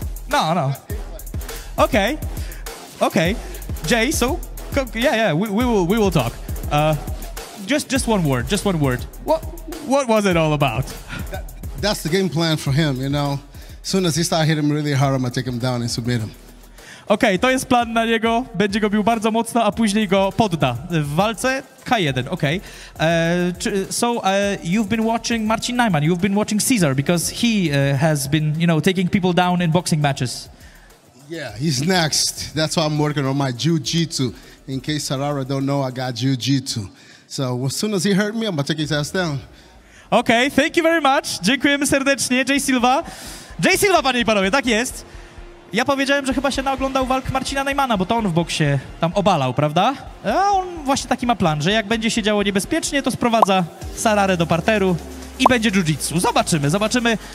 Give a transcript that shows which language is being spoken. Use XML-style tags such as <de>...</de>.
<en>No, no. Okej. Okay. Okej. Okay. Jay, so... Yeah, yeah, we will talk. Just one word, just one word. What was it all about? That's the game plan for him, you know? As soon as he start hitting really hard, I'm gonna take him down and submit him.</en> <pl>Okej, okay, to jest plan na niego. Będzie go bił bardzo mocno, a później go podda w walce. K1, okej. Okay.</pl> <en>You've been watching Marcin Najman, you've been watching Caesar, because he has been, you know, taking people down in boxing matches. Yeah, he's next. That's why I'm working on my jiu-jitsu. In case Sarara don't know, I got jiu-jitsu. So as soon as he hurt me, I'm gonna take his ass down. Okej, okay, thank you very much.</en> <pl>Dziękujemy serdecznie, Jay Silva. Jay Silva, panie i panowie, tak jest. Ja powiedziałem, że chyba się naoglądał walk Marcina Najmana, bo to on w boksie tam obalał, prawda? A on właśnie taki ma plan, że jak będzie się działo niebezpiecznie, to sprowadza Sararę do parteru i będzie jiu-jitsu. Zobaczymy, zobaczymy.</pl>